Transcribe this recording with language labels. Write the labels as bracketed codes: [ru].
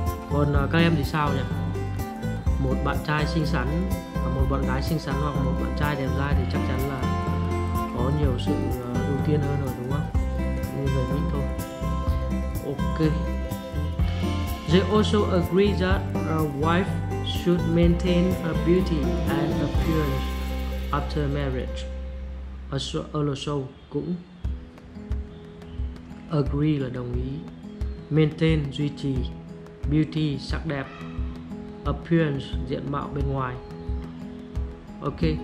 [vi] Còn các em thì sao nhỉ? Một bạn trai xinh xắn, một bạn gái xinh xắn hoặc một bạn trai đẹp trai thì chắc chắn là có nhiều sự ưu tiên hơn rồi đúng không? Như người Mỹ thôi. Ok. [en] They also agree that a wife should maintain her beauty and appearance after marriage. [vi] Also cũng agree là đồng ý, maintain duy trì, beauty sắc đẹp, appearance diện mạo bên ngoài. Ok.